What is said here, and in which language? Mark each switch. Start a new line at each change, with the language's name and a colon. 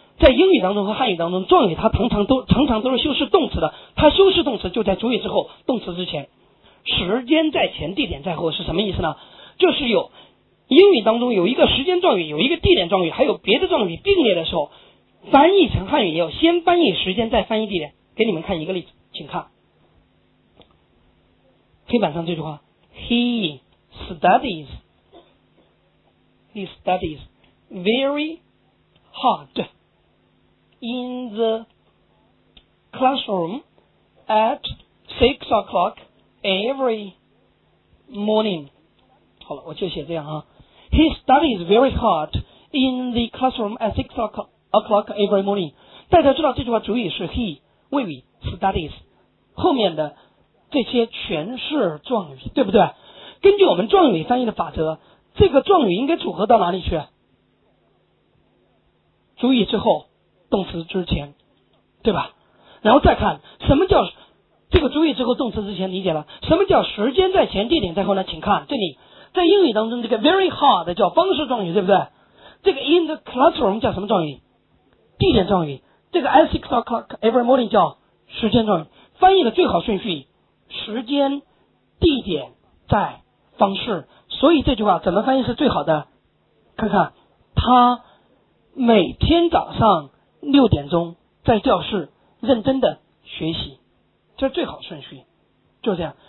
Chinese: 在英语当中和汉语当中，状语它常常都是修饰动词的，它修饰动词就在主语之后，动词之前。时间在前，地点在后，是什么意思呢？就是有英语当中有一个时间状语，有一个地点状语，还有别的状语并列的时候，翻译成汉语也要先翻译时间再翻译地点。给你们看一个例子，请看黑板上这句话，
English: He studies very hard in the classroom at 6 o'clock every morning.
Chinese: 好了，我就写这样啊。
English: He studies very hard in the classroom at 6 o'clock every morning.
Chinese: 大家知道这句话主语是 he, 谓语 studies, 后面的这些全是状语，对不对？根据我们状语翻译的法则，这个状语应该组合到哪里去？主语之后，动词之前，对吧？然后再看什么叫这个主语之后动词之前，理解了什么叫时间在前地点在后呢？请看这里，在英语当中这个
English: very hard
Chinese: 叫方式状语，对不对？这个
English: in the classroom
Chinese: 叫什么状语？地点状语。这个
English: at 6 o'clock every morning
Chinese: 叫时间状语。翻译的最好顺序，时间地点在方式，所以这句话怎么翻译是最好的？看看他每天早上六点钟在教室认真的学习，这是最好顺序，就这样。